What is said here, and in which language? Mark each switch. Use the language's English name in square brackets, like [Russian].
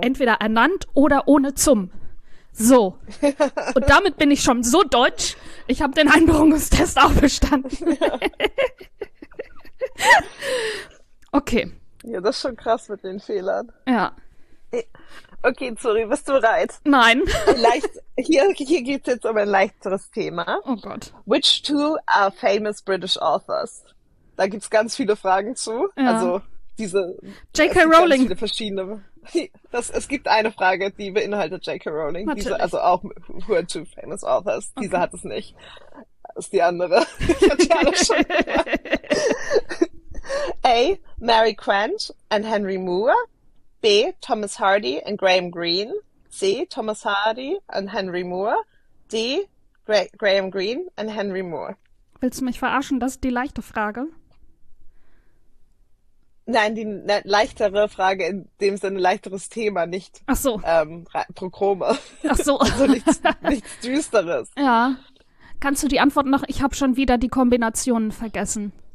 [German] Entweder ernannt oder ohne zum. So. Und damit bin ich schon so deutsch, ich habe den Einbürgerungstest auch bestanden. Ja. Okay. Ja, das ist schon krass mit den Fehlern. Ja. Okay, sorry, bist du bereit? Nein. Hier geht es jetzt um ein leichteres Thema. Oh Gott. [English] Which two are famous British authors? [German] Da gibt es ganz viele Fragen zu. Ja. Also diese... J.K. Rowling. Viele verschiedene. Es gibt eine Frage, die beinhaltet J.K. Rowling. Natürlich. Diese, also auch [English] who are two famous authors. [German] Okay. Diese hat es nicht. Das ist die andere. Ich hatte alles schon gemacht. [English] A. Mary Quant and Henry Moore. B. Thomas Hardy and Graham Greene. C. Thomas Hardy and Henry Moore. D. Graham Greene and Henry Moore. [German] Willst du mich verarschen? Das ist die leichte Frage. Nein, die leichtere Frage in dem Sinne, leichteres Thema, nicht Prochrome. Ach so. Also nichts Düsteres. Ja. Kannst du die Antwort noch? Ich habe schon wieder die Kombinationen vergessen.